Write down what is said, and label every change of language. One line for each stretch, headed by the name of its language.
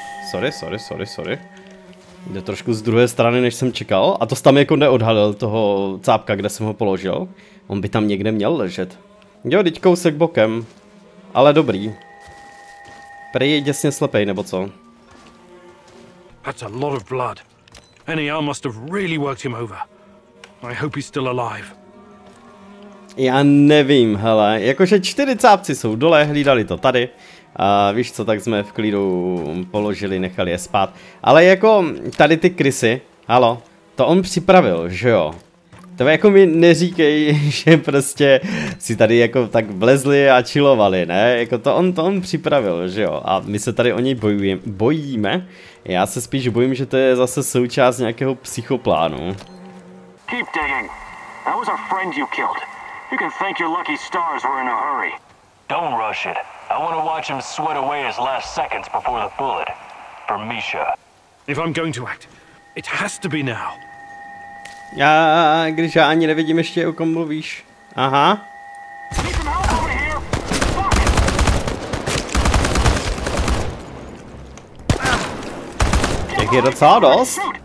Czech: Sorry. Jde trošku z druhé strany, než jsem čekal. A to tam jako neodhalil toho cápka, kde jsem ho položil. On by tam někde měl ležet. Jo, teď kousek bokem. Ale dobrý. Prej je děsně slepej, nebo co?
English: That's a lot of blood. NER must have really worked him over. I hope he's still alive.
Czech: Já nevím, hele. Jakože čtyři cápci jsou dole, hlídali to tady. A víš co, tak jsme v klidu položili, nechali je spát. Ale jako tady ty krysy, halo, to on připravil, že jo? To jako mi neříkej, že prostě si tady jako tak vlezli a chillovali, ne? Jako to on připravil, že jo? A my se tady o něj bojíme. Já se spíš bojím, že to je zase součást nějakého psychoplánu.
English: Keep digging. That was our friend you killed. You can thank your lucky stars we're in a hurry. Don't rush it. I want to watch him sweat away his last seconds before the bullet. For Misha. If I'm going to act, it has to be now.
Czech: Já, když já ani nevidím ještě, o kom mluvíš. Aha. Jak je docela dost.